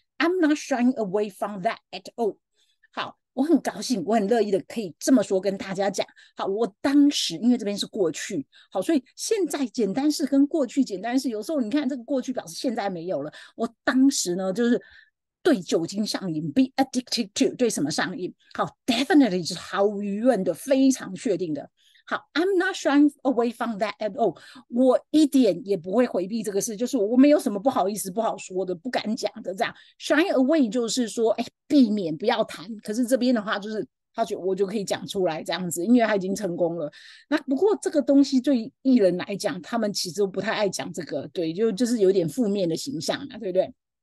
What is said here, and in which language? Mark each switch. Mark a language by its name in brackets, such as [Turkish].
[English] I'm not shying away from that at all. [Chinese] 好，我很高兴，我很乐意的可以这么说跟大家讲。好，我当时因为这边是过去，好，所以现在简单是跟过去简单是，有时候你看这个过去表示现在没有了，我当时呢就是对酒精上瘾， [English] be addicted to [Chinese] 对什么上瘾？好，definitely 是毫无疑问的，非常确定的。 [English] 好，I'm not shying away from that at all。 [Chinese] 我一点也不会回避这个事，就是我没有什么不好意思、不好说的、不敢讲的这样。 shying away 就是说，哎，避免不要谈。可是这边的话，就是他觉得我就可以讲出来这样子，因为他已经成功了。那不过这个东西对艺人来讲，他们其实都不太爱讲这个，对，就是有点负面的形象嘛，对不对？